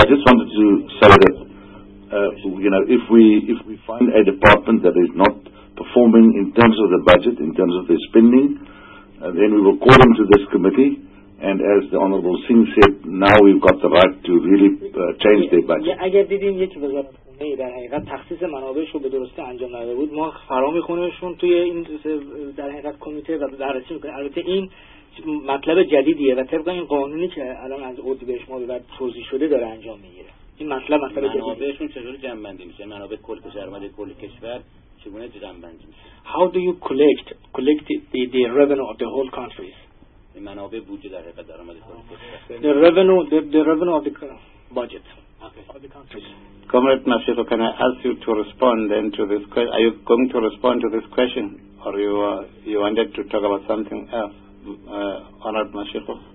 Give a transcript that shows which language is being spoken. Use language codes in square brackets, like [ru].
[en] I just wanted to say that, you know, if we find a department that is not performing in terms of the budget, in terms of their spending, then we will call them to this committee. And as the Honourable Singh said, now we've got the right to really change their budget. [fa] Yeah, اگر دیدین یک وزارت خونه در حقیقت تخصیص منابعش رو به درستی انجام نداده بود، ما فرا میخونیمشون توی این در حقیقت کمیته و بررسی میکنیم. البته این مطلب جدیدیه و طبق این قانونی که الان از اردی بهش ما بعد توضیح شده داره انجام میگیره. این مطلب منابعشون چجوری جمع‌بندی میشه؟ منابع کل درآمد کل کشور چگونه جمع‌بندی میشه؟ [en] How do you collect the revenue of the whole countries? [fa] منابع بودجه در حقیقت درآمد کل کشور. [en] The revenue of the budget. Comrade Mashiko, can I ask you to respond then to this question? Are you going to respond to this question, or you wanted to talk about something else, Honorable Mashiko?